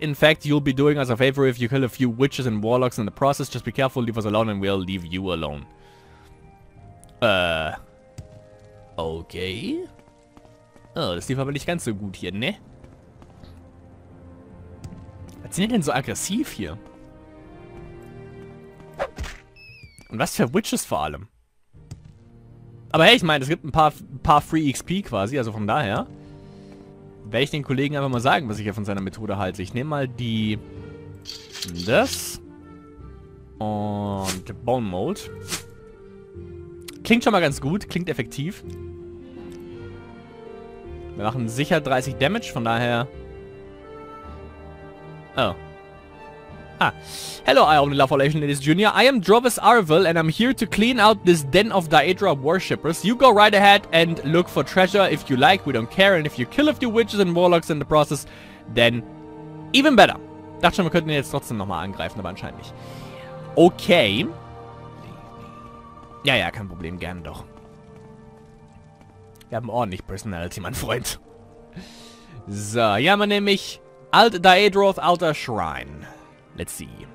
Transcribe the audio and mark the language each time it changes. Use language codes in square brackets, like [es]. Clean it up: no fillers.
[en] In fact, you'll be doing us a favor if you kill a few witches and warlocks in the process. Just be careful, leave us alone and we'll leave you alone. Okay. [de] Oh, das lief aber nicht ganz so gut hier, ne? Was sind die denn so aggressiv hier? Und was für Witches vor allem? Aber hey, ich meine, es gibt ein paar Free XP quasi, also von daher werde ich den Kollegen einfach mal sagen, was ich hier von seiner Methode halte. Ich nehme mal die... Das. Und Bone Mold. Klingt schon mal ganz gut, klingt effektiv. Wir machen sicher 30 Damage, von daher... [en] Oh. Ah. Hello, I am the Love Relation Ladies Junior. I am Drovis Arvel and I'm here to clean out this den of Daedra worshippers. You go right ahead and look for treasure if you like, we don't care. And if you kill a few witches and warlocks in the process, then even better. [de] Dachte schon, wir könnten ihn jetzt trotzdem nochmal angreifen, aber anscheinend nicht. Okay. Ja, ja, kein Problem, gerne doch. Wir haben ordentlich Personality, mein Freund. So, hier haben wir nämlich Alt Daedroth Alter Shrine. [en] Let's see.